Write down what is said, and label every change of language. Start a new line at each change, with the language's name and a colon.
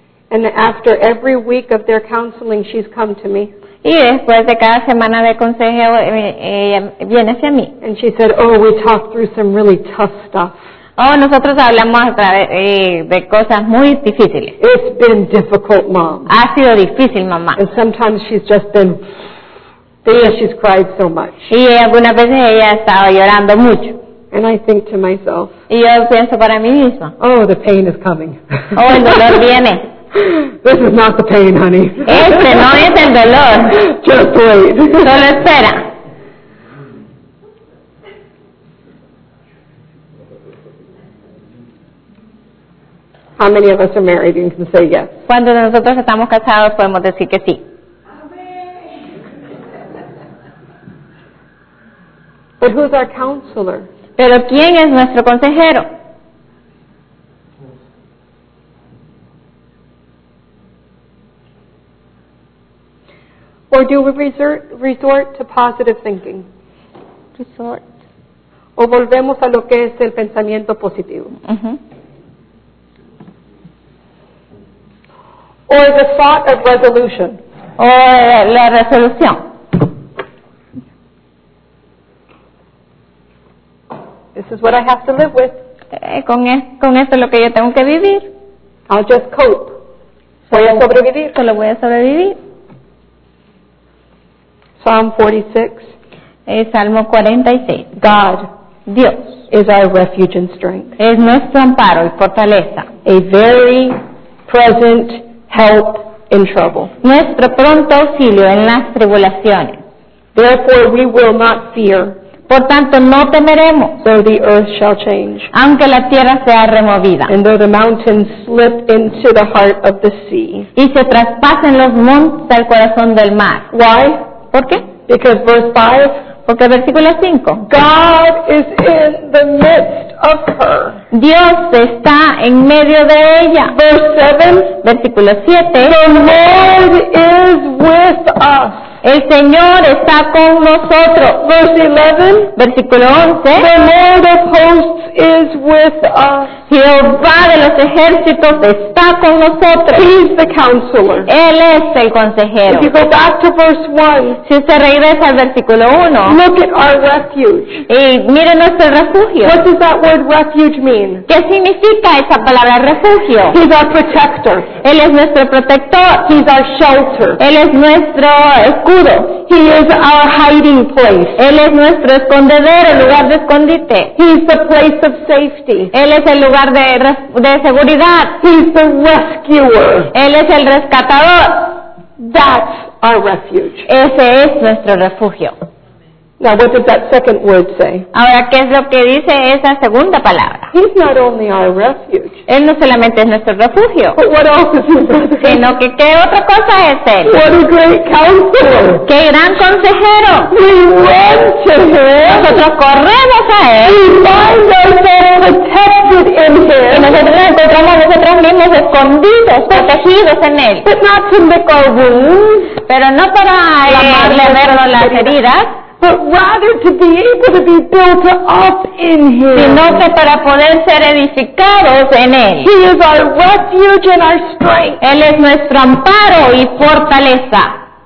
English: And after every week of their counseling, she's come to me.
Spanish: Y después de cada semana de consejo, viene hacia mí.
English: And she said, "Oh, we talked through some really tough stuff."
Spanish: Oh, nosotros hablamos de cosas muy difíciles.
English: It's been difficult, Mom.
Spanish: Ha sido difícil, mamá.
English: And sometimes she's just been. Yeah, she's cried so much.
Spanish: Y algunas veces ella estaba llorando mucho.
English: And I think to myself.
Spanish: Y yo pienso para mí misma.
English: Oh, the pain is coming.
Spanish: Oh, el dolor viene.
English: This is not the pain, honey.
Spanish: Este no es el dolor.
English: Just wait.
Spanish: Solo espera.
English: How many of us are married and can say yes?
Spanish: Cuando nosotros estamos casados podemos decir que sí.
English: But who's our counselor?
Spanish: Pero ¿quién es nuestro consejero?
English: Or do we resort to positive thinking? Resort.
Spanish: O volvemos a lo que es el pensamiento positivo. Uh-huh.
English: Or the thought of resolution.
Spanish: O la resolución.
English: This is what I have to live with.
Spanish: Con esto es lo que yo tengo que vivir.
English: I'll just cope.
Spanish: Voy a sobrevivir. Solo voy a sobrevivir.
English: Psalm 46.
Spanish: Salmo 46.
English: God.
Spanish: Dios.
English: Is our refuge and strength.
Spanish: Es nuestro amparo y fortaleza.
English: A very present help in trouble.
Spanish: Nuestro pronto auxilio en las tribulaciones.
English: Therefore we will not fear.
Spanish: Por tanto, no temeremos.
English: Though the earth shall change.
Spanish: Aunque la tierra sea removida.
English: And though the mountains slip into the heart of the sea.
Spanish: Y se traspasen los montes al corazón del mar.
English: Why?
Spanish: ¿Por qué?
English: Because verse 5.
Spanish: Porque versículo 5.
English: God is in the midst of her.
Spanish: Dios está en medio de ella.
English: Verse 7.
Spanish: Versículo 7.
English: The Lord is with us.
Spanish: El Señor está con nosotros.
English: Verse 11.
Spanish: Versículo 11.
English: The Lord of hosts is with us.
Spanish: Jehová de los ejércitos está con nosotros.
English: He is the counselor.
Spanish: Él es el consejero.
English: If you go back to verse 1.
Spanish: Si se regresa al versículo 1.
English: Look at our refuge.
Spanish: Y mire nuestro refugio.
English: What does that word refuge mean?
Spanish: ¿Qué significa esa palabra refugio?
English: He's our protector.
Spanish: Él es nuestro protector.
English: He's our shelter.
Spanish: Él es nuestro escudo.
English: He is our hiding place.
Spanish: Él es nuestro escondedero, el lugar de escondite.
English: He is the place of safety.
Spanish: Él es el lugar de seguridad.
English: He is the rescuer.
Spanish: Él es el rescatador.
English: That's our refuge.
Spanish: Ese es nuestro refugio.
English: Now, what did that second word say?
Spanish: Ahora, ¿qué es lo que dice esa segunda palabra?
English: He's not only our refuge.
Spanish: Él no solamente es nuestro refugio.
English: But what else is his refuge?
Spanish: Sino que, ¿qué otra cosa es él?
English: What a great counselor.
Spanish: ¡Qué gran consejero!
English: We run to him.
Spanish: Nosotros corremos a él.
English: We find ourselves protected in him.
Spanish: Y nosotros encontramos nosotros mismos escondidos, protegidos en él.
English: But not to lick our wounds.
Spanish: Pero no para lamernos las heridas.
English: But rather to be able to be built up in Him.
Spanish: Sino que para poder ser edificados en Él.
English: He is our refuge and our strength.
Spanish: Él es nuestro amparo y fortaleza.